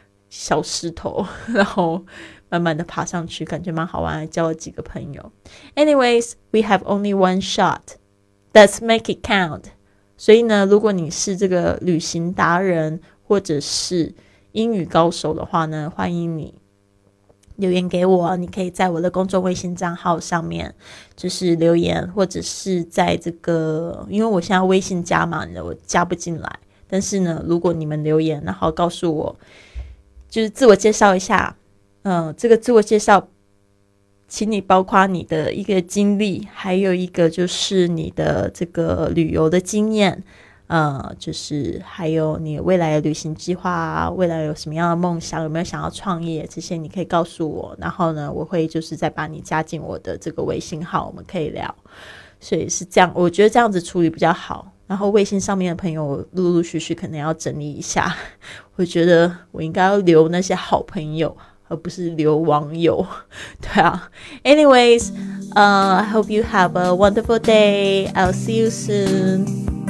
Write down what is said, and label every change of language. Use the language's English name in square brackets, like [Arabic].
[Chinese] 小石头，然后慢慢的爬上去，感觉蛮好玩的，交了几个朋友。 [English] Anyways, we have only one shot. Let's make it count. [Chinese] 所以呢，如果你是这个旅行达人或者是英语高手的话呢，欢迎你留言给我，你可以在我的公众微信账号上面就是留言，或者是在这个，因为我现在微信加满了，我加不进来。但是呢，如果你们留言，然后告诉我，就是自我介绍一下，这个自我介绍，请你包括你的一个经历，还有一个就是你的这个旅游的经验，就是还有你未来的旅行计划啊，未来有什么样的梦想，有没有想要创业，这些你可以告诉我，然后呢，我会就是再把你加进我的这个微信号，我们可以聊。所以是这样，我觉得这样子处理比较好。然后微信上面的朋友陆陆续续可能要整理一下，我觉得我应该要留那些好朋友，而不是留网友。 [English] 对啊，Anyways, I hope you have a wonderful day. I'll see you soon.